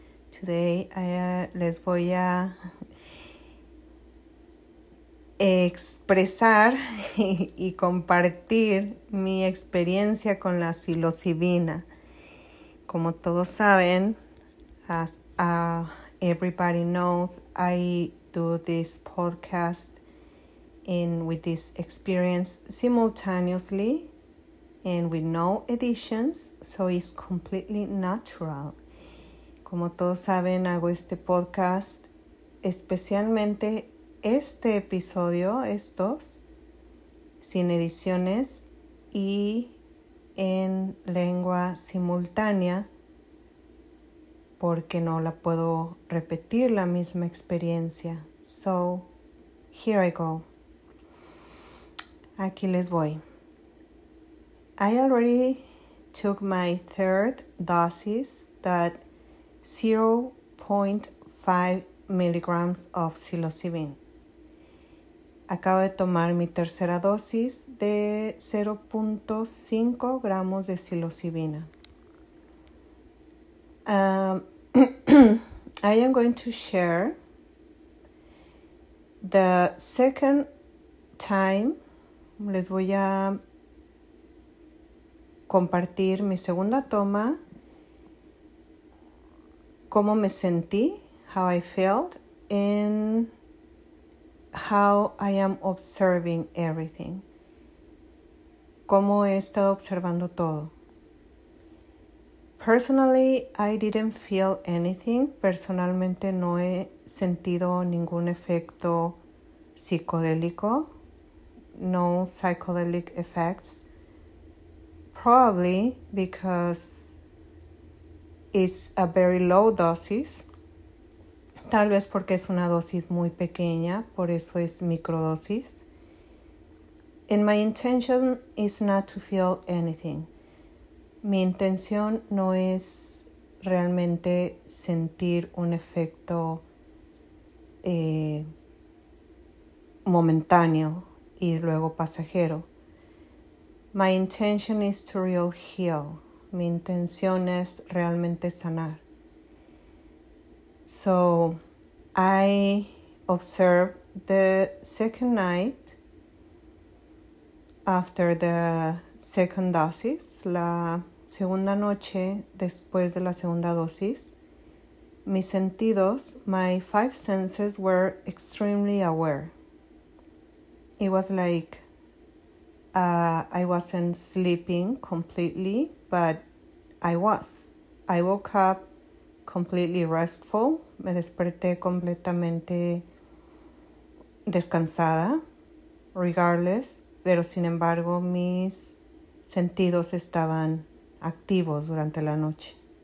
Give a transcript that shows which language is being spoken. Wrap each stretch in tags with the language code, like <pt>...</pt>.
<en>Today</en> <es>les voy a expresar y compartir mi experiencia con la psilocibina. Como todos saben,</es> <en>as everybody knows, I do this podcast in with this experience simultaneously and with no editions, so it's completely natural.</en> <es>Como todos saben, hago este podcast especialmente este episodio, estos, sin ediciones y en lengua simultánea, porque no la puedo repetir la misma experiencia.</es> <en>So, here I go.</en> <es>Aquí les voy.</es> <en>I already took my third dosis, that 0.5 milligrams of psilocybin.</en> <es>Acabo de tomar mi tercera dosis de 0.5 gramos de psilocibina.</es> <en>I am going to share the second time.</en> <es>Les voy a compartir mi segunda toma. Cómo me sentí.</es> <en>How I felt. And how I am observing everything.</en> <es>Cómo he estado observando todo.</es> <en>Personally, I didn't feel anything.</en> <es>Personalmente no he sentido ningún efecto psicodélico. No</es> <en>psychedelic effects. Probably because it's a very low dosis.</en> <es>Tal vez porque es una dosis muy pequeña, por eso es microdosis.</es> <en>And my intention is not to feel anything.</en> <es>Mi intención no es realmente sentir un efecto momentáneo y luego pasajero.</es> <en>My intention is to really heal.</en> <es>Mi intención es realmente sanar.</es> <en>So I observed the second night after the second dosis,</en> <es>la segunda noche después de la segunda dosis. Mis sentidos,</es> <en>my five senses were extremely aware. It was like I wasn't sleeping completely, but I was. I woke up completely restful.</en> <es>Me desperté completamente descansada,</es> <en>regardless,</en> <es>pero sin embargo mis sentidos estaban activos durante la noche.</es>